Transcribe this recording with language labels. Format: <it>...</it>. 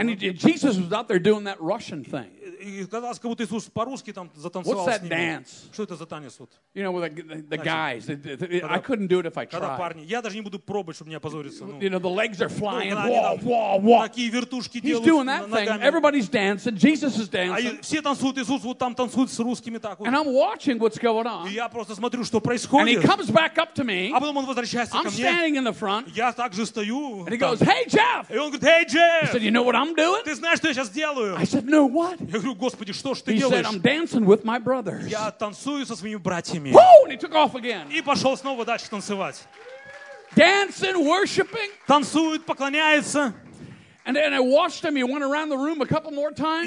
<en>And Jesus was out there doing that Russian thing.</en> <ru>И казалось, как будто Иисус по-русски там затанцевал.</ru> <en>What's that dance?</en> <ru>Что это за танец вот?</ru> <en>You know, with the guys. I couldn't do it if I tried.</en> <ru>Когда парни, я даже не буду пробовать, чтобы не опозориться.</ru> <en>You know, the legs are flying. Whoa.</en> <ru>Такие вертушки делают.</ru> <en>He's doing that thing. Everybody's dancing. Jesus is dancing.</en> <ru>Все танцуют, Иисус вот там танцует с русскими так вот.</ru> <en>And I'm watching what's going on.</en> <ru>И я просто смотрю, что происходит.</ru> <en>And he comes back up to me.</en> <ru>А потом он возвращается ко мне.</ru> <en>I'm standing in the front.</en> <ru>Я также стою.</ru> <en>And he goes, "Hey, Jeff."</en> <ru>И он говорит,</ru> <en>"Hey, Jeff." He said, "You know what I'm doing?"</en> <ru>Ты знаешь, что я сейчас делаю?</ru> <en>I said, "No, what?"</en> <ru>Господи, что ж ты</ru> <en>he</en> <ru>делаешь?</ru> <en>Said, I'm dancing with my brothers.</en> <ru>Я танцую со своими братьями.</ru> <en>Woo! And he took off again.</en> <ru>И пошел снова дальше танцевать.</ru> <en>Dancing, worshiping.</en> <ru>Танцует, поклоняется.</ru> <en>And I watched him. He went around the room a couple more times.</en>